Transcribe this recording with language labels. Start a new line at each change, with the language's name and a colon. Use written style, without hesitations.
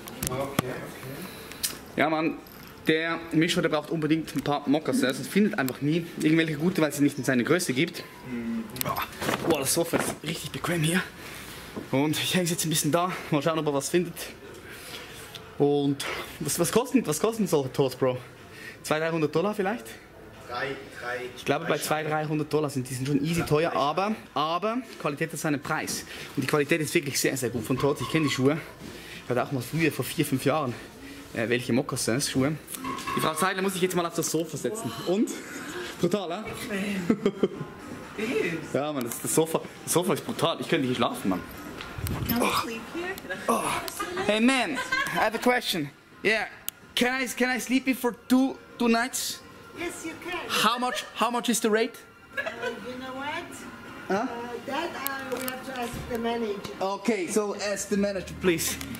German: Okay. Ja, man, der Mischer, der braucht unbedingt ein paar Mokassins. Also, er findet einfach nie irgendwelche gute, weil es nicht in seine Größe gibt. Mhm. Oh, das Sofa ist richtig bequem hier. Und ich hänge es jetzt ein bisschen da. Mal schauen, ob er was findet. Und was kosten solche Tours, Bro? $200-$300 vielleicht? Ich glaube, bei $200-$300 sind die schon easy teuer, aber Qualität hat seinen Preis. Und die Qualität ist wirklich sehr, sehr gut von Tours. Ich kenne die Schuhe. Ich hatte auch mal früher, vor 4-5 Jahren, welche Mokassins Schuhe. Die Frau Zeidler muss ich jetzt mal auf das Sofa setzen. Wow. Und? Brutal, hä? Eh? Ja, Mann, das Sofa ist brutal. Ich könnte hier schlafen, Mann. Oh.
English: Hey man, I have a question. Yeah, can I sleep here for two nights? Yes, you can. How much is the rate? You know what? Huh? That we have to ask the manager. Okay, so ask the manager, please.